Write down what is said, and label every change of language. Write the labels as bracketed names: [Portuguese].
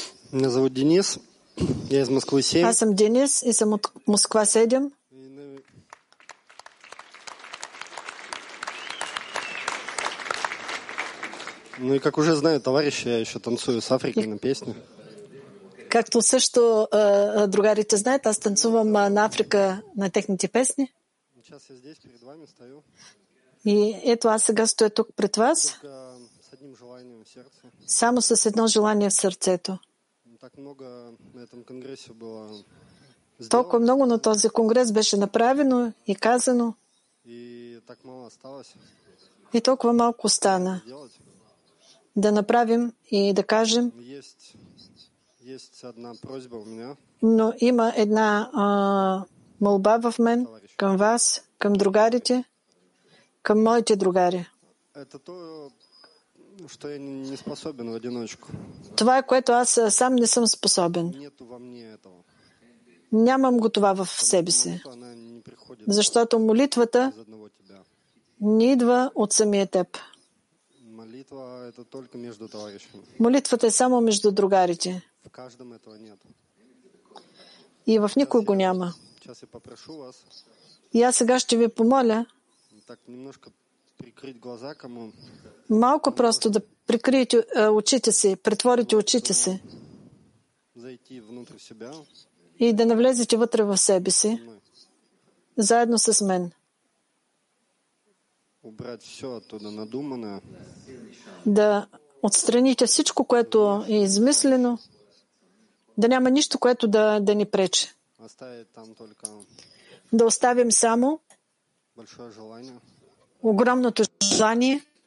[Russian] Меня зовут Денис, я из Москвы 7. [Bulgarian] Аз съм Денис и съм от Москва 7. [Russian] Ну и как уже знаю, товарищи, я еще танцую с Африкой на песню. [Bulgarian] Както също другарите знаят, аз танцувам на Африка на техните песни. [Russian] Сейчас я здесь перед вами стою. [Bulgarian] И ето аз сега стоя тук пред вас. [Russian] Только с одним желанием в сердце. [Bulgarian] Само с едно желание в сърцето. [Russian] Так много на этом конгрессе было сделано. [Bulgarian] Толкова много на този конгрес беше направено и казано. [Russian] И так мало осталось. [Bulgarian] И толкова малко стана. Да направим и да кажем. [Russian] Есть одна просьба у меня. [Bulgarian] Но има една молба в мен, към вас, към другарите, към моите другари. [Russian] Это то, что я не способен в одиночку. [Bulgarian] Това е, което аз сам не съм способен. [Russian] Нету во мне этого. [Bulgarian] Нямам го това в себе си. Защото молитвата не идва от самия теб. [Russian] Молитва это только между товарищами. [Bulgarian] Молитвата е само между другарите. [Russian] В каждом этого нет. [Bulgarian] И в никой го няма. [Russian] Сейчас я попрошу вас. [Bulgarian] И аз сега ще ви помоля. [Russian] Так немножко прикрыть глаза кому. [Bulgarian] Малко просто да прикриете очите си, притворите очите си. [Russian] Зайти внутрь себя. [Bulgarian] И да навлезете вътре в себе си. Заедно с мен. [Russian] Убрать все оттуда надуманное. [Bulgarian] Да отстраните всичко, което е измислено. Да няма нищо, което да ни пречи. [Russian] Оставить там только. [Bulgarian] Да оставим само [Russian] большое желание. [Bulgarian] Огромното желание.